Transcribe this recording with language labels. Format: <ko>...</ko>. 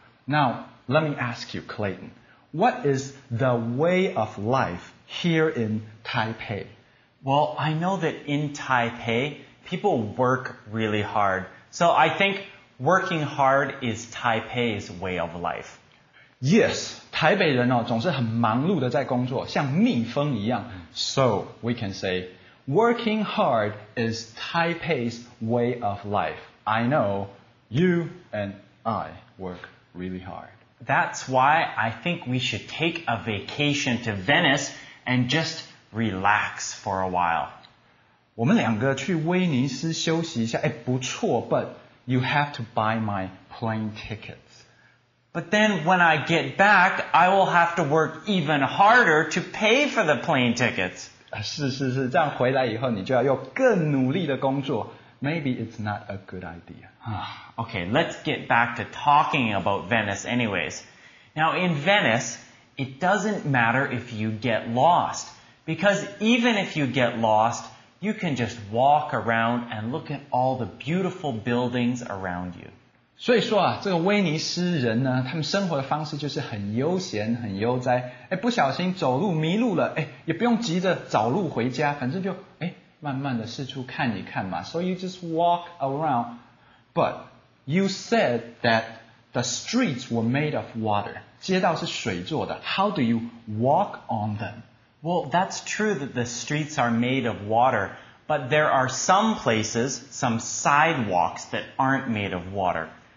<en>Now let me ask you, Clayton, what is the way of life here in Taipei? Well, I know that in Taipei, people work really hard. So I think working hard is Taipei's way of life.</en> <zh>Yes, 台北人哦总是很忙碌的在工作，像蜜蜂一样。</zh> <en>So we can say, working hard is Taipei's way of life. I know you and I work really hard. That's why I think we should take a vacation to Venice and just relax for a while.</en> <zh>我们两个去威尼斯休息一下，哎，不错 ，</zh> <en>but you have to buy my plane ticket. But then when I get back, I will have to work even harder to pay for the plane tickets.</en> <zh>是是是，这样回来以后你就要用更努力的工作。</zh> <en>Maybe it's not a good idea. Okay, let's get back to talking about Venice anyways. Now in Venice, it doesn't matter if you get lost. Because even if you get lost, you can just walk around and look at all the beautiful buildings around you.</en> <zh>所以说啊，这个威尼斯人呢，他们生活的方式就是很悠闲很悠哉，不小心走路迷路了，也不用急着找路回家，反正就慢慢的四处看一看嘛。</zh> <en>So you just walk around. But you said that the streets were made of water.</en> <zh>街道是水做的。</zh> <en>How do you walk on them? Well, that's true that the streets are made of water. But there are some places, some sidewalks that aren't made of water.</en>